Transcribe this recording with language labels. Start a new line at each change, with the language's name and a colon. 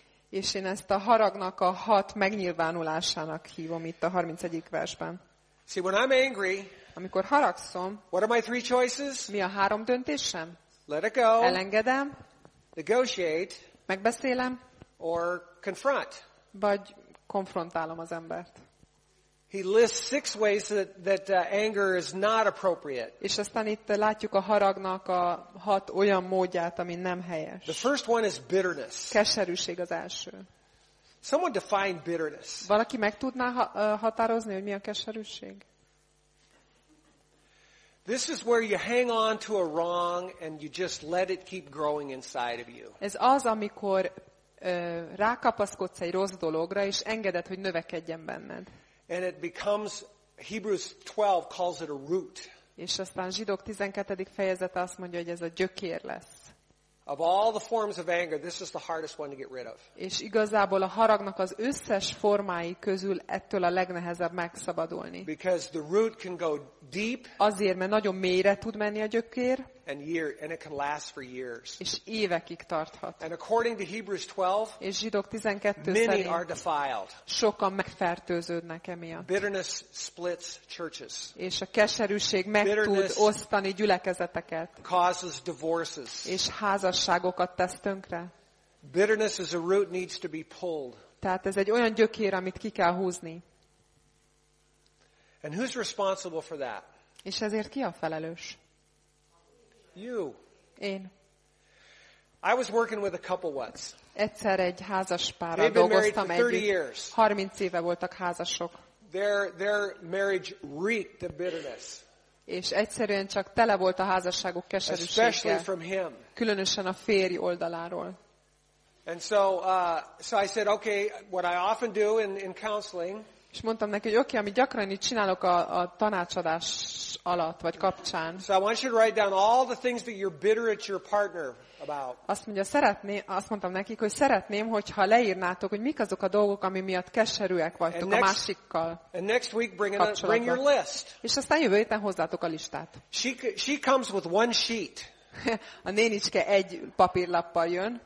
Hungarian: És én ezt a haragnak a hat megnyilvánulásának hívom itt a 31. versben.
English: See, when I'm angry,
Hungarian: amikor haragszom,
English: what are my three choices?
Hungarian: Mi a három döntésem?
English: Let it go.
Hungarian: Elengedem.
English: Negotiate.
Hungarian: Megbeszélem.
English: Or confront.
Hungarian: Vagy konfrontálom az embert.
English: He lists six ways that anger is not appropriate.
Hungarian: És aztán itt látjuk a haragnak a hat olyan módját, ami nem helyes.
English: The first one is bitterness.
Hungarian: Keserűség az első.
English: Someone define bitterness.
Hungarian: Valaki meg tudná határozni, hogy mi a keserűség?
English: This is where you hang on to a wrong and you just let it keep growing inside of you.
Hungarian: Ez az, amikor rákapaszkodsz egy rossz dologra, és engeded, hogy növekedjen benned.
English: And it becomes, Hebrews 12 calls it a root.
Hungarian: És aztán Zsidók 12. fejezete azt mondja, hogy ez a gyökér lesz.
English: Of all the forms of anger, this is the hardest one to get rid of.
Hungarian: És igazából a haragnak az összes formái közül ettől a legnehezebb megszabadulni.
English: Because the root can go deep.
Hungarian: Azért, mert nagyon mélyre tud menni a gyökér.
English: And it can last for years.
Hungarian: És évekig tarthat.
English: And according to Hebrews 12,
Hungarian: és Zsidók 12
English: many are defiled.
Hungarian: Sokan megfertőződnek emiatt.
English: Bitterness splits churches.
Hungarian: És a keserűség meg tud osztani gyülekezeteket.
English: Causes divorces.
Hungarian: És házasságokat tesz tönkre.
English: Bitterness is a root needs to be pulled.
Hungarian: Tehát ez egy olyan gyökér, amit ki kell húzni.
English: And who's responsible for that?
Hungarian: És ezért ki a felelős?
English: You.
Hungarian: Én.
English: I was working with a couple once.
Hungarian: Egyszer egy házas párral dolgoztam együtt. 30 éve voltak házasok.
English: Their marriage reeked of bitterness.
Hungarian: És egyszerűen csak tele volt a házasságuk keserűséggel.
English: Especially from him.
Hungarian: Különösen a férj oldaláról.
English: And so I said, okay, what I often do in counseling.
Hungarian: És mondtam neki, hogy oké, amit gyakran itt csinálok a tanácsadás alatt, vagy kapcsán.
English: So I want you to write down all the things that you're bitter at your partner about.
Hungarian: Azt mondtam nekik, hogy szeretném, hogyha leírnátok, hogy mik azok a dolgok, ami miatt keserűek vagytok
English: and
Hungarian: a másikkal.
English: And next week bring your list.
Hungarian: És aztán jövő héten hozzátok a listát.
English: She comes with one sheet.
Hungarian: A nénicske egy papírlappal jön.